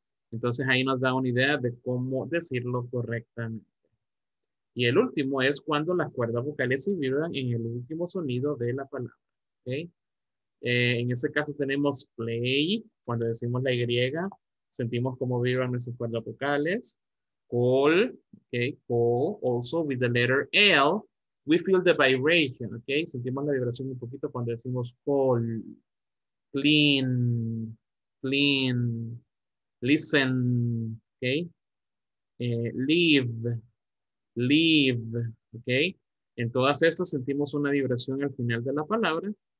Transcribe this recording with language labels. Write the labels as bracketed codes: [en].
[es] Entonces ahí nos da una idea de cómo decirlo correctamente. Y el último es cuando las cuerdas vocales se vibran en el último sonido de la palabra, ¿ok? En ese caso tenemos play, cuando decimos la Y, sentimos cómo vibran nuestras cuerdas vocales. [en] Call, okay, call, also with the letter L, we feel the vibration, okay? [es] Sentimos la vibración un poquito cuando decimos call. [en] Clean, clean, listen, okay? Leave, leave, okay? [es] En todas estas sentimos una vibración al final de la palabra.